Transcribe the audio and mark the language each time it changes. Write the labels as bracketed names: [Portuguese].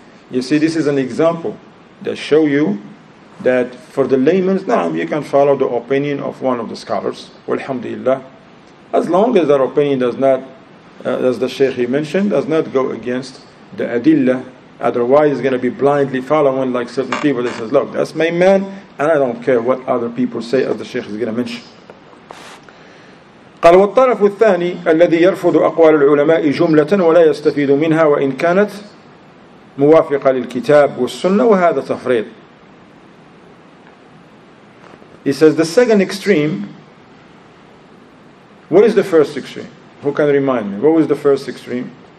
[English] You see, this is an example that show you that for the layman's, now you can follow the opinion of one of the scholars, alhamdulillah, as long as that opinion does not, as the Sheikh he mentioned, does not go against the Adilla, otherwise it's going to be blindly following like certain people that says, look, that's my man, and I don't care what other people say, as the Sheikh is going to mention. [Arabic] قال والطرف الثاني الذي يرفض أقوال العلماء جملة ولا يستفيد منها وإن كانت موافقة للكتاب والسنة وهذا تفريط. [English] He says the second extreme. What is the first extreme? Who can remind me? What was the first extreme?